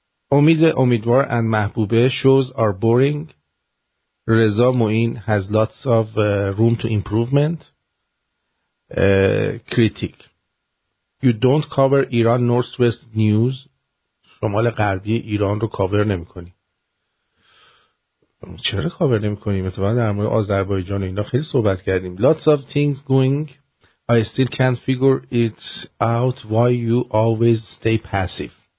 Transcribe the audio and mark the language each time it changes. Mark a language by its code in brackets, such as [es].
[en] امید امیدوار and محبوبه shows are boring. رضا معین has lots of room to improvement. Critic. You don't cover Iran Northwest news. [fa] شمال غربی ایران رو کاور نمی کنی. چرا کاور نمی کنیم؟ مثلا در مورد آذربایجان اینا خیلی صحبت کردیم. [en] Lots of things going. I still can't figure it out why you always stay passive.